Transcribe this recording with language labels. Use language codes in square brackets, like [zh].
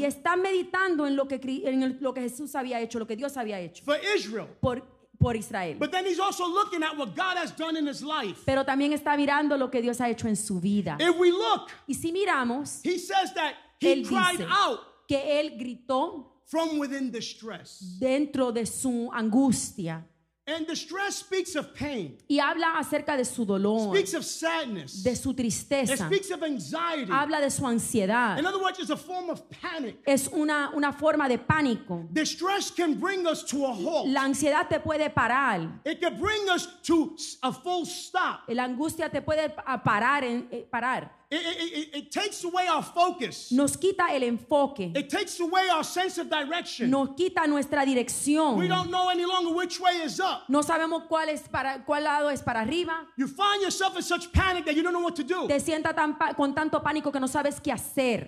[es] Y está meditando en lo que Jesús había hecho, lo que Dios había hecho. [en] For Israel. [es] Por por Israel. [en] But then he's also looking at what God has done in his life. [es] Pero también está mirando lo que Dios ha hecho en su vida. [en] If we look, [es] y si miramos, [en] he says that he cried out [es] que él gritó [en] from within distress. [es] Dentro de su angustia. [en] And distress speaks of pain. [es] Y habla acerca de su dolor. [en] Speaks of sadness. [es] De su tristeza. [en] It speaks of anxiety. [es] Habla de su ansiedad. [en] In other words, it's a form of panic. [es] Es una forma de pánico. [en] Distress can bring us to a halt. [es] La ansiedad te puede parar. [en] It can bring us to a full stop. [es] La angustia te puede parar en parar. [en] It takes away our focus. [es] Nos quita el enfoque. [en] It takes away our sense of direction. [es] Nos quita nuestra dirección. [en] We don't know any longer which way is up. [es] No sabemos cuál lado es para arriba. [en] You find yourself in such panic that you don't know what to do. [es] Te sienta con tanto pánico que no sabes qué hacer.